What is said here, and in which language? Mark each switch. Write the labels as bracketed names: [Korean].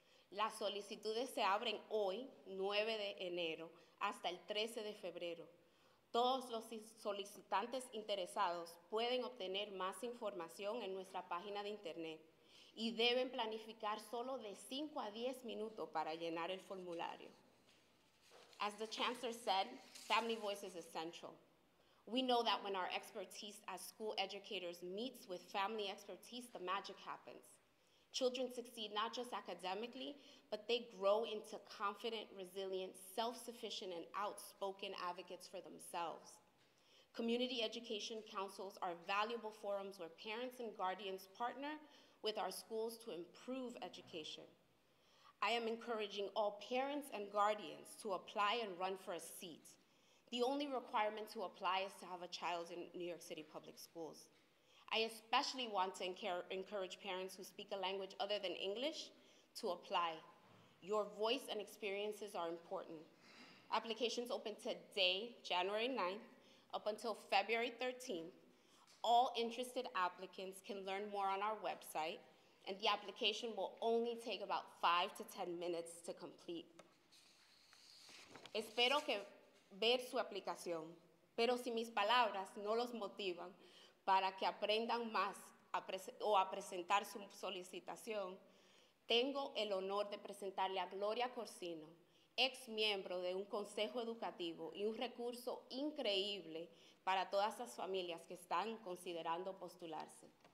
[Spanish] Las solicitudes se abren hoy, 9 de enero, hasta el 13 de febrero. Todos los solicitantes interesados pueden obtener más información en nuestra página de internet y deben planificar solo de 5 a 10 minutos para llenar el formulario. [English] As the chancellor said, family voice is essential. We know that when our expertise as school educators meets with family expertise, the magic happens. Children succeed not just academically, but they grow into confident, resilient, self-sufficient, and outspoken advocates for themselves. Community education councils are valuable forums where parents and guardians partner with our schools to improve education. I am encouraging all parents and guardians to apply and run for a seat. The only requirement to apply is to have a child in New York City public schools. I especially want to encourage parents who speak a language other than English to apply. Your voice and experiences are important. Applications open today, January 9th, up until February 13th. All interested applicants can learn more on our website, and the application will only take about 5 to 10 minutes to complete. [Spanish] Espero que ver su aplicación, pero si mis palabras no los motivan para que aprendan más a presentar su solicitación, tengo el honor de presentarle a Gloria Corsino, ex miembro de un consejo educativo y un recurso increíble para todas las familias que están considerando postularse.